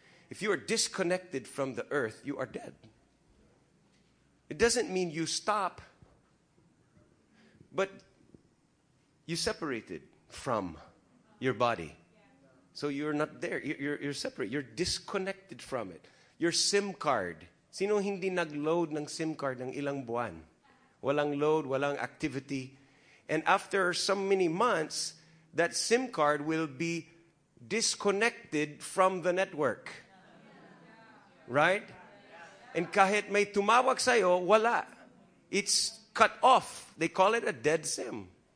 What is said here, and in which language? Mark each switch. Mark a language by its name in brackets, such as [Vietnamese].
[English] If you are disconnected from the earth, you are dead. It doesn't mean you stop, but you separated from your body. So you're not there. You're separate. You're disconnected from it. Your SIM card. [Filipino] Sino hindi nag-load ng SIM card ng ilang buwan? Walang load, walang activity. [English] And after so many months, that SIM card will be disconnected from the network. Right? And [Filipino] kahit may tumawag sa'yo, wala. [English] It's cut off. They call it a dead SIM.